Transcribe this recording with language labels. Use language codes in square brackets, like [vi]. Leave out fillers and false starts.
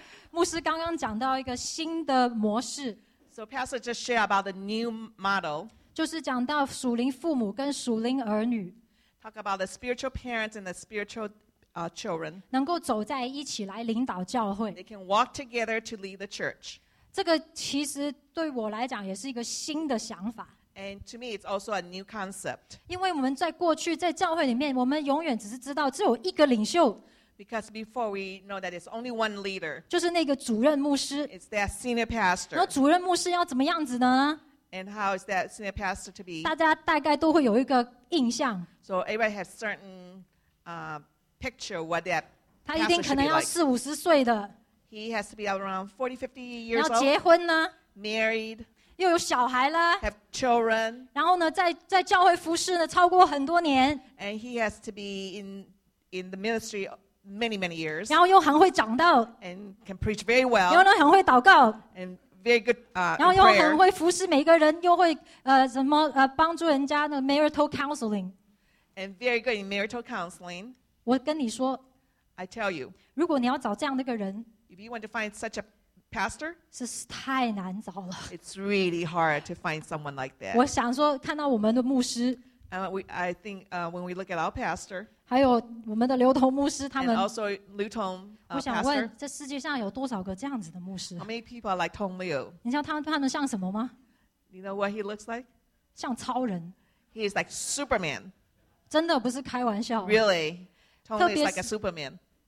[zh] 牧师刚刚讲到一个新的模式。 [en] So pastor just shared about the new model. [zh] 就是讲到属灵父母跟属灵儿女。 [en] Talk about the spiritual parents and the spiritual children. [zh] 能够走在一起来领导教会。 [en] They can walk together to lead the church. [zh] 这个其实对我来讲也是一个新的想法。 [en] And to me, it's also a new concept. [zh] 因为我们在过去在教会里面，我们永远只是知道只有一个领袖。 [en] Because before we know that it's only one leader. [zh] 就是那个主任牧师。 [en] It's that senior pastor. [zh] 那主任牧师要怎么样子呢？ [en] And how is that senior pastor to be? [zh] 大家大概都会有一个印象。 [en] So everybody has certain picture what that pastor should be like. [zh] 他一定可能要四五十岁的。 [en] He has to be around 40, 50 years old. [zh] 要结婚呢。 [en] Married. [zh] 又有小孩了 [en] have children, [zh] 然后呢 在教会服侍呢超过很多年 [en] and he has to be in the ministry many many years [zh] 然后又很会讲道 [en] and can preach very well [zh] 然后呢很会祷告 [en] and very good prayer [zh] 然后又很会服侍每个人又会怎么帮助人家的 [en] marital counseling and very good in marital counseling [zh] 我跟你说 [en] I tell you [zh] 如果你要找这样的一个人 [en] if you want to find such aPastor? [zh] 是太难找了。 [en] It's really hard to find someone like that. [zh] 我想说，看到我们的牧师。 [en] I think when we look at our pastor. [zh] 还有我们的刘同牧师，他们。 [en] And also Liu Tong. [zh] 我想问，这世界上有多少个这样子的牧师 [en] ？How many people are like Tong Liu? [zh] 你知道他们像什么吗 [en] ？You know what he looks like? [zh] 像超人。 [en] He is like Superman. [zh] 真的不是开玩笑。 [en] Really, Tong Liu is like a Superman.